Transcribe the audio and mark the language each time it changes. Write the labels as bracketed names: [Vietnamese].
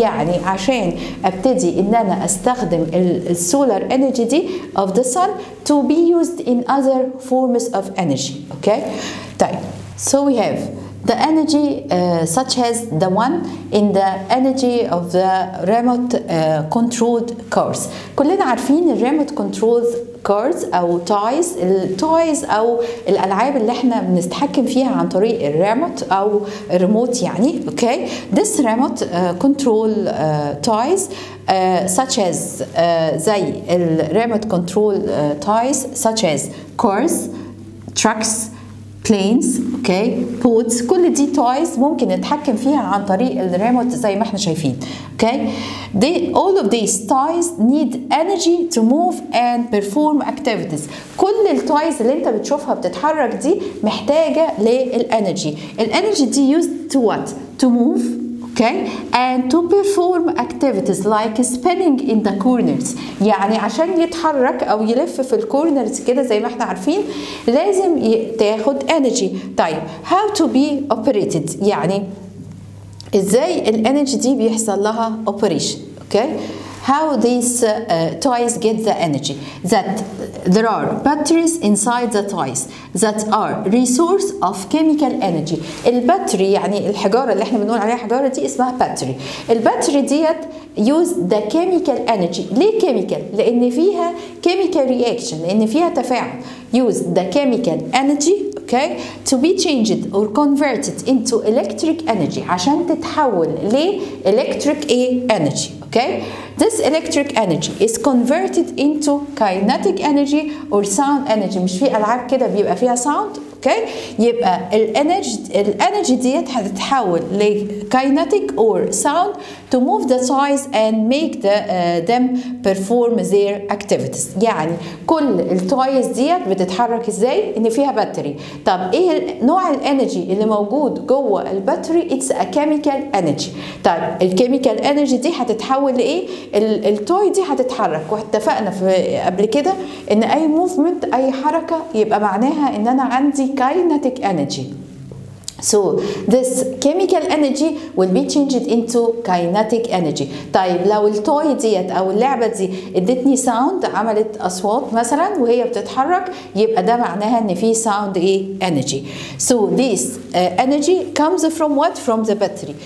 [Arabic] يعني عشان ابتدي ان انا استخدم ال [English] solar energy دي of the sun to be used in other forms of energy. Okay. [Arabic] طيب. [English] So we have the energy such as the one in the energy of the remote controlled cars. [Arabic] كلنا عارفين remote controlled cars أو toys. التويز أو الألعاب اللي احنا بنستحكم فيها عن طريق الريموت أو الريموت يعني. [English] Okay. This remote control toys such as [Arabic] زي الريموت [English] control toys such as cars, trucks, planes, okay, boats. [Arabic] كل دي toys ممكن نتحكم فيها عن طريق الريموت زي ما احنا شايفين. [English] Okay, they, all of these toys need energy to move and perform activities. [Arabic] كل التويز اللي انت بتشوفها بتتحرك دي محتاجة للانرجي. الانرجي دي [English] used to what? To move. Okay, and to perform activities like spinning in the corners. [Arabic] يعني عشان يتحرك أو يلف في الكورنرز كده زي ما احنا عارفين لازم تاخد energy. طيب, [English] how to be operated. [Arabic] يعني ازاي ال energy دي بيحصل لها operation. [English] Okay, how these toys get the energy. That there are batteries inside the toys that are resource of chemical energy. [Arabic] البطري يعني الحجارة اللي احنا بنقول عليها حجارة دي اسمها battery. البطري ديت [English] use the chemical energy. [Arabic] ليه chemical؟ لان فيها chemical reaction, لان فيها تفاعل. [English] Use the chemical energy, okay, to be changed or converted into electric energy. [Arabic] عشان تتحول لي electric energy, okay. [English] This electric energy is converted into kinetic energy or sound energy. [Arabic] مش في ألعاب كده بيبقى فيها sound, okay. يبقى الenergy دي هتتحول لي kinetic or sound [English] to move the toys and make the, them perform their activities. [Arabic] يعني كل التويز دي بتتحرك ازاي؟ ان فيها باتري. طب ايه نوع الانرجي اللي موجود جوه الباتري؟ [English] It's a chemical energy. [Arabic] طب الكيميكال انرجي دي هتتحول لايه؟ التوي دي هتتحرك. واتفقنا قبل كده ان اي موفمنت اي حركة يبقى معناها ان انا عندي kinetic energy. [English] So this chemical energy will be changed into kinetic energy. [Arabic] طيب لو التوي ديت او اللعبة دي ادتني ساوند, عملت اصوات مثلا وهي بتتحرك, يبقى ده معناها ان في ساوند ايه؟ energy. [English] So this energy comes from what? From the battery.